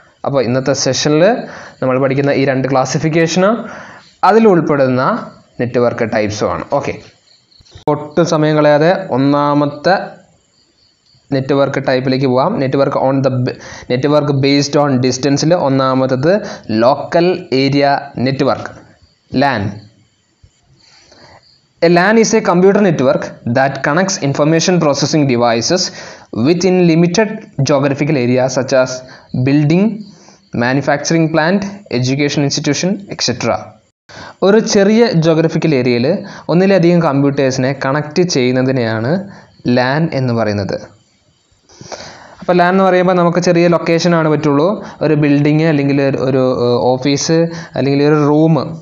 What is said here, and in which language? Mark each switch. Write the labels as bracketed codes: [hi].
[ml] അപ്പോൾ ഇന്നത്തെ സെഷനിൽ നമ്മൾ പഠിക്കുന്ന ഈ രണ്ട് ക്ലാസിഫിക്കേഷനും അതിലുൾപ്പെടുന്ന നെറ്റ്വർക്ക് ടൈപ്സും ആണ്. ഓക്കെ, ഒട്ടും സമയം കളയാതെ ഒന്നാമത്തെ നെറ്റ്വർക്ക് ടൈപ്പിലേക്ക് പോവാം. Network on the network based on ഡിസ്റ്റൻസിൽ ഒന്നാമത്തത് local area network LAN. [en] A LAN is a computer network that connects information processing devices within limited geographical areas such as building, manufacturing plant, education institution, etc. [ml] ഒരു ചെറിയ geographical ഏരിയയിൽ ഒന്നിലധികം കമ്പ്യൂട്ടേഴ്സിനെ connect ചെയ്യുന്നതിനെയാണ് LAN എന്ന് പറയുന്നത്. അപ്പോൾ LAN എന്ന് പറയുമ്പോൾ നമുക്ക് ചെറിയ ലൊക്കേഷനാണ് പറ്റുള്ളൂ, ഒരു ബിൽഡിങ് അല്ലെങ്കിൽ ഒരു ഓഫീസ് അല്ലെങ്കിൽ ഒരു റൂം.